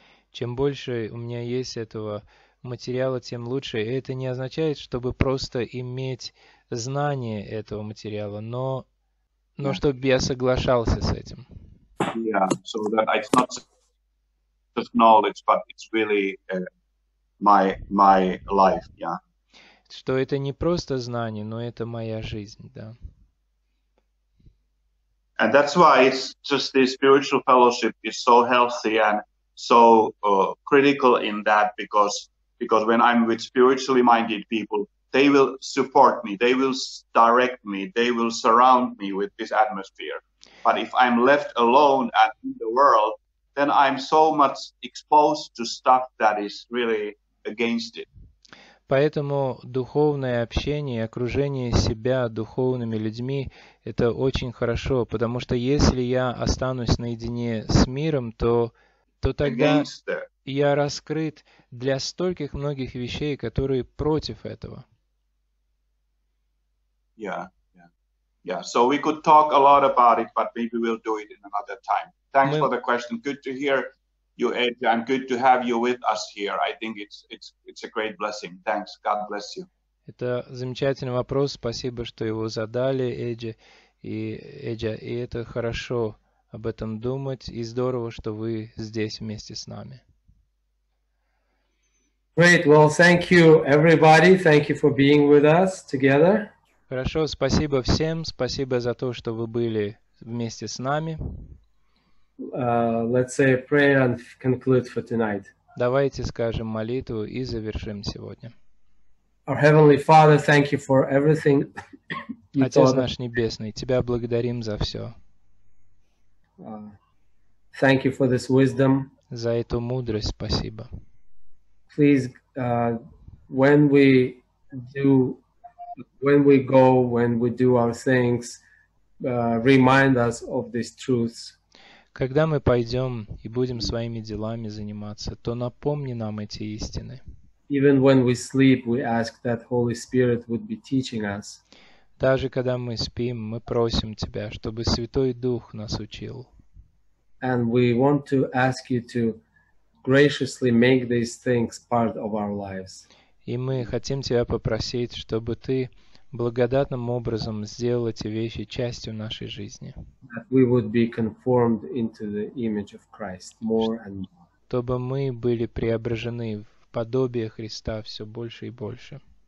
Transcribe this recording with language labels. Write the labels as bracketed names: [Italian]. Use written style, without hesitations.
[Russian] Чем больше у меня есть этого материала, тем лучше. И это не означает, чтобы просто иметь знание этого материала, но чтобы я соглашался с этим. [English] Yeah, so that it's not just knowledge, but it's really my life, yeah. [Russian] Что это не просто знание, но это моя жизнь, да. [English] And that's why it's just the spiritual fellowship is so healthy and so critical in that, because when I'm with spiritually minded people, they will support me, they will direct me, they will surround me with this atmosphere. But if I'm left alone and in the world, then I'm so much exposed to stuff that is really against it. [Russian] Поэтому духовное общение, окружение себя духовными людьми, это очень хорошо, потому что если я останусь наедине с миром, то тогда я раскрыт для стольких многих вещей, которые против этого. [English] Yeah. So we could talk a lot about it, but maybe we'll do it in another time. Thanks for the question. Good to hear you, Edja, and good to have you with us here. I think it's a great blessing. Thanks. God bless you. [Russian] Это замечательный вопрос. Спасибо, что его задали, Эдди. И Эдди, и это хорошо об этом думать, и здорово, что вы здесь вместе с нами. [English] Great. Well, thank you, everybody. Thank you for being with us together. [Russian] Хорошо, спасибо всем. Спасибо за то, что вы были вместе с нами. [English] Let's say a prayer and conclude for tonight. [Russian] Давайте скажем молитву и завершим сегодня. [English] Our Heavenly Father, thank you for everything. [Russian] Отец наш небесный, тебя благодарим за все. [English] Thank you for this wisdom. [Russian] За эту мудрость, спасибо. [English] Please, when we do our things, remind us of these truths. [Russian] Когда мы пойдем и будем своими делами заниматься, то напомни нам эти истины. [English] Even when we sleep, we ask that Holy Spirit would be teaching us. [Russian] Даже когда мы спим, мы просим тебя, чтобы Святой Дух нас учил. [English] And we want to ask you to graciously make these things part of our lives. [Russian] И мы хотим тебя попросить, чтобы ты благодатным образом сделал эти вещи частью нашей жизни. [English] That we would be conformed into the image of Christ more and more. [Russian] Чтобы мы были преображены в подобие Христа все больше и больше.